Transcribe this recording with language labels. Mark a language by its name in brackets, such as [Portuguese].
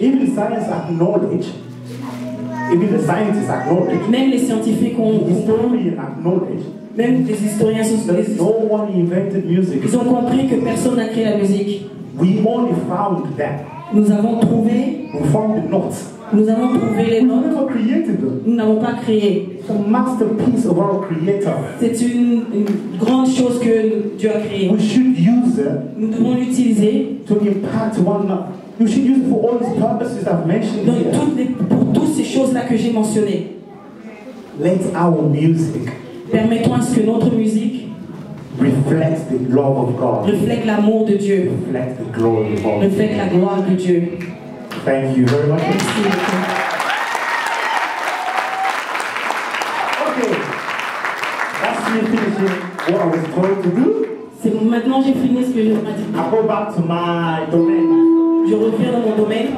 [English] Even science acknowledge. Even the scientists acknowledge. [French] Même les scientifiques ont. [English] Historians acknowledge. [French] Même les historiens sont. [English] That no one invented music. [French] Ils ont compris que personne n'a créé la musique. [English] We only found them. [French] Nous avons trouvé. [English] We found the notes. [French] Nous avons trouvé les notes. [English] We never created them. [French] Nous n'avons pas créé. [English] The masterpiece of our creator. [French] C'est une grande chose que Dieu a créée. [English] We should use it. [French] Nous devons l'utiliser. [English] To impact one another. You should use it for all these purposes I've mentioned. [French] Donc, pour toutes ces choses-là que j'ai mentionnées. [English] Let our music. [French] Permettons que notre musique [English] reflect the love of God. [French] Reflète l'amour de Dieu. [English] Reflect the glory of God. [French] Reflète la gloire de Dieu. [English] Thank you very much. [French] Merci. [English] Okay. That's me finishing what I was going to do. [French] C'est maintenant j'ai fini ce que je voulais dire. [English] I go back to my domain. [French] Je reviens dans mon domaine.